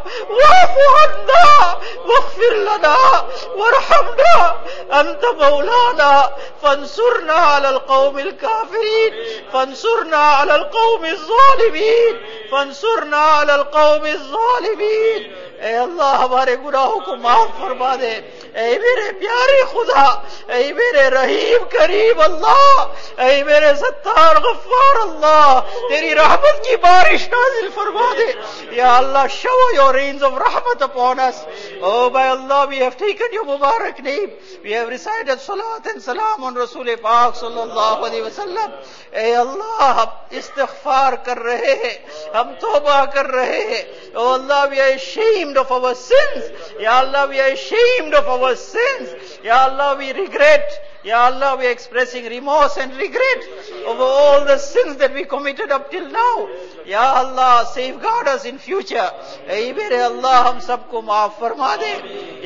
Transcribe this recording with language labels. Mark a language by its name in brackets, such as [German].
[Arabic] واعف عنا واغفر لنا وارحمنا. أنت مولانا فانصرنا على القوم الكافرين. فانصرنا على القوم الظالمين. فانصرنا على القوم الظالمين. [Urdu] اے اللہ ہمارے گناہوں کو معاف فرما دے. اے میرے پیارے خدا, اے میرے رحیم کریم اللہ, اے میرے ستار غفار اللہ, تیری رحمت کی بارش نازل فرما دے. [English] یا اللہ shower your rains of rahmat upon us. Oh by Allah, we have taken your mubarak name, we have recited salat and salam on [Urdu] رسول پاک صلی اللہ علیہ وسلم. اے اللہ ہم استغفار کر رہے ہیں, ہم توبہ کر رہے ہیں. [English] Oh Allah, we are ashamed of our sins. Ya Allah, we are ashamed of our sins. Ya Allah, we regret. Ya Allah, we are expressing remorse and regret over all the sins that we committed up till now. Ya Allah, safeguard us in future. [Urdu] Ey mere Allah, hum sabko maaf farma de.